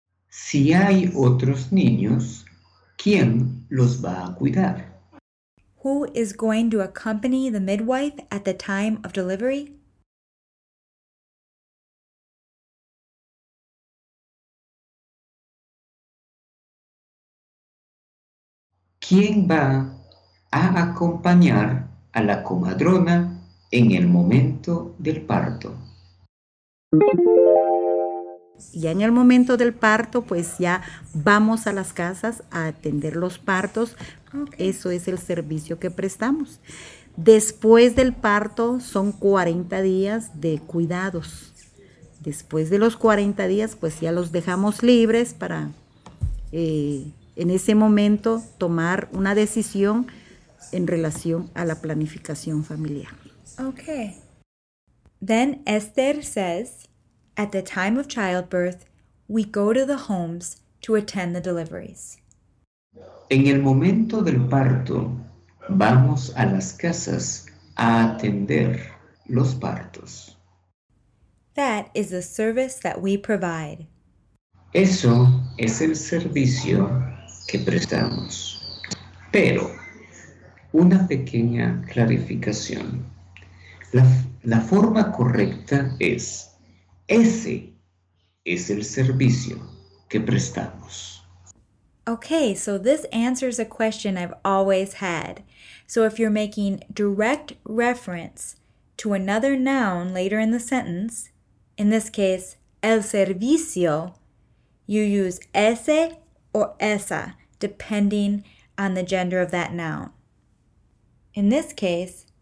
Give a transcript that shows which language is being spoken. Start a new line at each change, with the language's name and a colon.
Spanish: Si hay otros niños, ¿quién los va a cuidar?
English: Who is going to accompany the midwife at the time of delivery?
Spanish: ¿Quién va a acompañar a la comadrona en el momento del parto? Ya en el momento del parto, pues ya vamos a las casas a atender los partos. Okay. Eso es el servicio que prestamos. Después del parto son 40 días de cuidados. Después de los 40 días, pues ya los dejamos libres para en ese momento tomar una decisión en relación a la planificación familiar.
English: Okay. Then Esther says, at the time of childbirth, we go to the homes to attend the deliveries.
Spanish: En el momento del parto, vamos a las casas a atender los partos.
English: That is the service that we provide.
Spanish: Eso es el servicio que prestamos. Pero, una pequeña clarificación. La forma correcta es, ese es el servicio que prestamos.
English: Okay, so this answers a question I've always had. So if you're making direct reference to another noun later in the sentence, in this case, el servicio, you use ese or esa, depending on the gender of that noun. In this case,